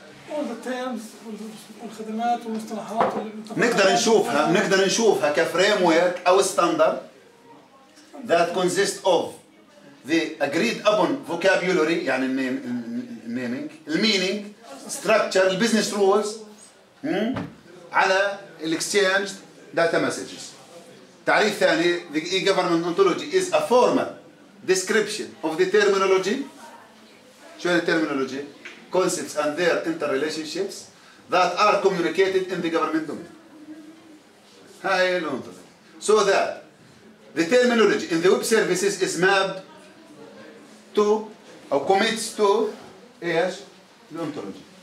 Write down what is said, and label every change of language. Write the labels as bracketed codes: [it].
[en] all the terms [ar] والخدمات والمصطلحات اللي نقدر نشوفها كفريم ورك او ستاندرد ذات كونسيست اوف ذا اجريد ابون فوكابولري، يعني النيمينج المينينج ستراكشر البزنس رولز على الاكستشينج داتا مسجز. تعريف ثاني [en] the e-government ontology is a formal description of the terminology. [ar] شو هي [en] terminology؟ Concepts and their interrelationships that are communicated in the government domain. [ar] هاي الانتظار. [en] So that the terminology in the web services is mapped to or commits to [ar] ايش؟ الانتولوجي.